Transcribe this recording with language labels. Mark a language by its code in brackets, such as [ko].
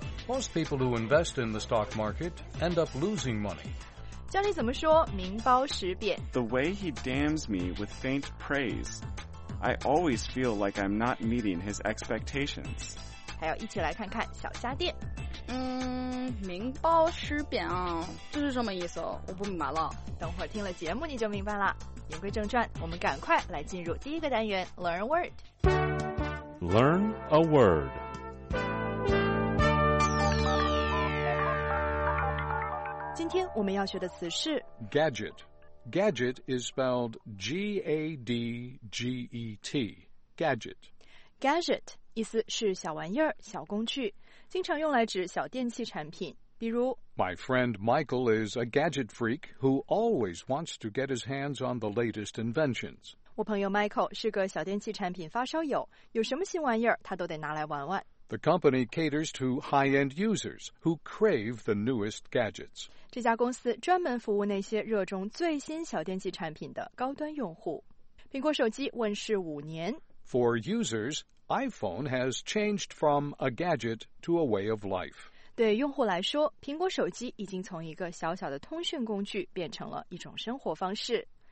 [en] Most people who invest in the stock market end up losing money. [zh] 教你怎么说名包实贬。 [en] The way he damns me with faint praise. I always feel like I'm not meeting his expectations. [zh] 还要一起来看看小虾店。名包实贬啊，这是什么意思？我不明白了。等会儿听了节目你就明白了。言归正传，我们赶快来进入第一个单元 ， [en] Learn a word。 Learn a word。 [zh] 今天我们要学的词是 [en] gadget。 Gadget is spelled G-A-D-G-E-T. Gadget. [zh] Gadget 意思是小玩意儿、小工具。经常用来指小电器产品，比如 [en] My friend Michael is a gadget freak who always wants to get his hands on the latest inventions. [zh] 我朋友 Michael 是个小电器产品发烧友，有什么新玩意儿他都得拿来玩玩。 [en] The company caters to high-end users who crave the newest gadgets. [zh] 这家公司专门服务那些热衷最新小电器产品的高端用户。苹果手机问世五年。 [en] For users,iPhone has changed from a gadget to a way of life. [zh] 对用户来说，苹果手机已经从一个小小的通讯工具变成了一种生活方式。